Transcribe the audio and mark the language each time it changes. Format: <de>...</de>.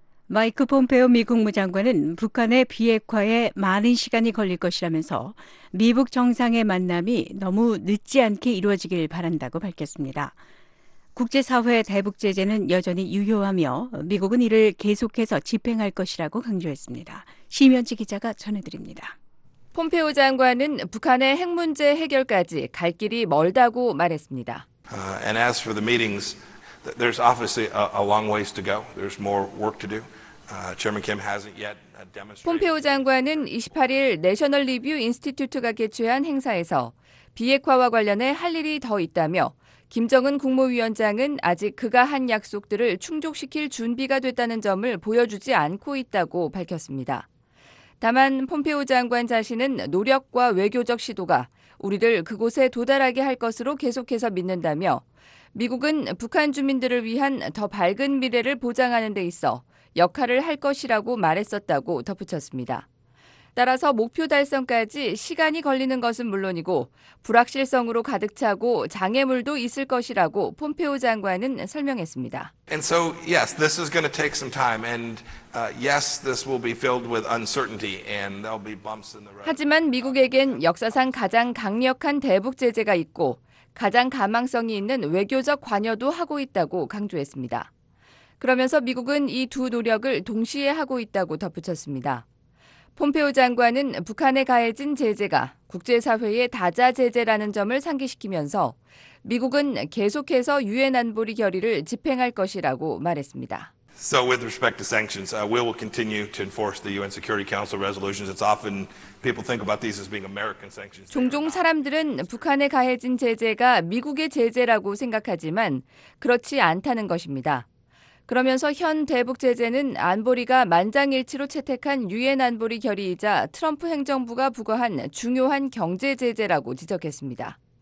<ko>마이크 폼페오 미 국무장관은 북한의 비핵화에 많은 시간이 걸릴 것이라면서 미북 정상의 만남이 너무 늦지 않게 이루어지길 바란다고 밝혔습니다. 국제사회 대북 제재는 여전히 유효하며 미국은 이를 계속해서 집행할 것이라고 강조했습니다. 심현지 기자가 전해드립니다. 폼페오 장관은 북한의 핵 문제 해결까지 갈 길이 멀다고 말했습니다.</ko> <en>And as for the meetings, there's obviously a long ways to go. There's more work to do. Chairman Kim hasn't yet.</en> <ko>폼페오 장관은 28일 내셔널 리뷰 인스티튜트가 개최한 행사에서 비핵화와 관련해 할 일이 더 있다며 김정은 국무위원장은 아직 그가 한 약속들을 충족시킬 준비가 됐다는 점을 보여주지 않고 있다고 밝혔습니다. 다만 폼페오 장관 자신은 노력과 외교적 시도가 우리를 그곳에 도달하게 할 것으로 계속해서 믿는다며 미국은 북한 주민들을 위한 더 밝은 미래를 보장하는 데 있어 역할을 할 것이라고 말했었다고 덧붙였습니다. 따라서 목표 달성까지 시간이 걸리는 것은 물론이고 불확실성으로 가득 차고 장애물도 있을 것이라고 폼페오 장관은 설명했습니다.</ko> <en>And so yes, this is going to take some time and yes, this will be filled with uncertainty and there'll be bumps in the road.</en> <ko>하지만 미국에겐 역사상 가장 강력한 대북 제재가 있고 가장 가망성이 있는 외교적 관여도 하고 있다고 강조했습니다. 그러면서 미국은 이 두 노력을 동시에 하고 있다고 덧붙였습니다. 폼페오 장관은 북한에 가해진 제재가 국제사회의 다자 제재라는 점을 상기시키면서 미국은 계속해서 유엔 안보리 결의를 집행할 것이라고 말했습니다.</ko> <en>So with respect to sanctions, we will continue to enforce the UN Security Council resolutions. It's often people think about these as being American sanctions.</en> <ko>종종 사람들은 북한에 가해진 제재가 미국의 제재라고 생각하지만 그렇지 않다는 것입니다. 그러면서 현 대북 제재는 안보리가 만장일치로 채택한 유엔 안보리 결의이자 트럼프 행정부가 부과한 중요한 경제 제재라고 지적했습니다.</ko>